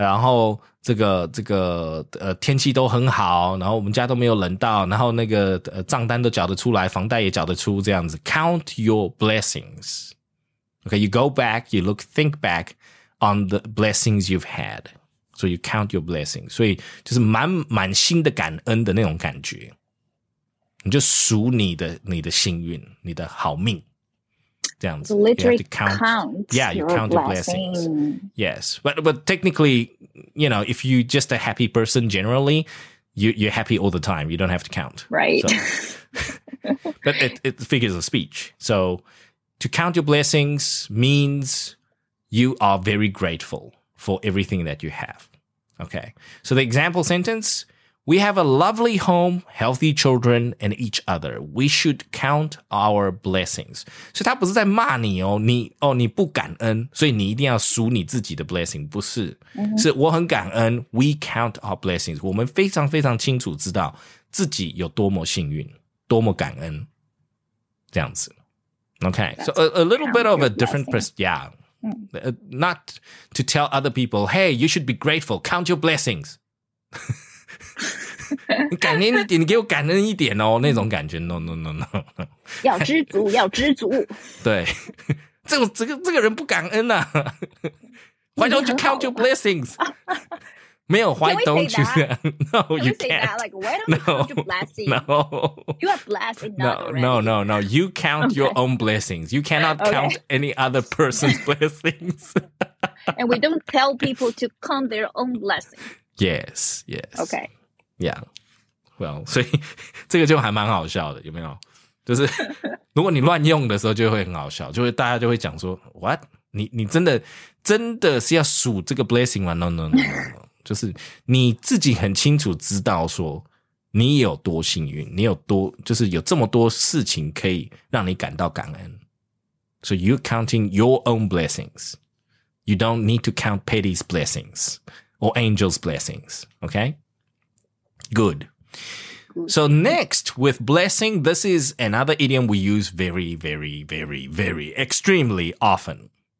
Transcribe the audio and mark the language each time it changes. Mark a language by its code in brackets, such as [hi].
[zh] 然后这个天气都很好，然后我们家都没有冷到，然后那个账单都缴得出来，房贷也缴得出，这样子。 [en] Count your blessings. Okay, you go back, you look, think back on the blessings you've had. So you count your blessings. [zh] 所以就是满心的感恩的那种感觉。你就数你的幸运你的好命。这样子。 [en] Literally count. Yeah, you count your blessings. Yes. But technically, you know, if you're just a happy person generally, you're happy all the time. You don't have to count. Right. So, but it figures of speech. So to count your blessings means you are very grateful. For everything that you have. Okay. So the example sentence, we have a lovely home, healthy children, and each other. We should count our blessings. [zh] 所以他不是在骂你哦，你不感恩，所以你一定要数你自己的 blessing, 不是。是我很感恩 [en] we count our blessings. [zh] 我们非常非常清楚知道自己有多么幸运，多么感恩。这样子。 [en] Okay. So a little bit of a different perspective. Not to tell other people, hey, you should be grateful. Count your blessings. [zh] 感恩一点，你给我感恩一点哦，那种感觉。 [en] No. [zh] 要知足。对，这个人不感恩呐、啊。 [en] Why don't you count your blessings? [zh] 没有 [en] why don't you? No, can we you say can't. That? Like, why don't you count your blessings? No. You are blessed not already. No. You count your own blessings. You cannot count any other person's blessings. And we don't tell people to count their own blessings. Yes. Okay. [zh] Yeah. Well, 所以这个就还蛮好笑的，有没有？就是如果你乱用的时候，就会很好笑，就会大家就会讲说 ，What？你真的是要数这个 blessing 吗 ？No. 就是你自己很清楚知道说你有多幸运，你有多就是有这么多事情可以让你感到感恩。 [en] So you're counting your own blessings. You don't need to count Patty's blessings or Angel's blessings. Okay? Good. So next, with blessing, this is another idiom we use very, very, very, very extremely often.